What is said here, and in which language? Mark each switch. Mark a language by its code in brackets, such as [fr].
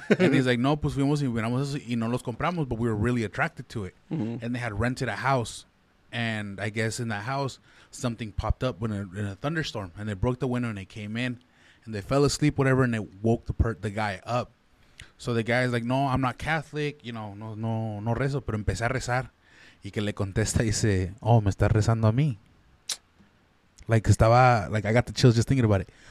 [en] And he's like, [es] no, pues fuimos y miramos eso y no los compramos, [en] but we were really attracted to it. Mm-hmm. And they had rented a house, and I guess in that house something popped up in a thunderstorm, and they broke the window and they came in, and they fell asleep, whatever, and they woke the guy up. So the guy's like, no, I'm not Catholic, you know, [es] no rezo, pero empecé a rezar. Y que le contesta y dice, oh, me está rezando a mí. [en] Like, I got the chills just thinking about it.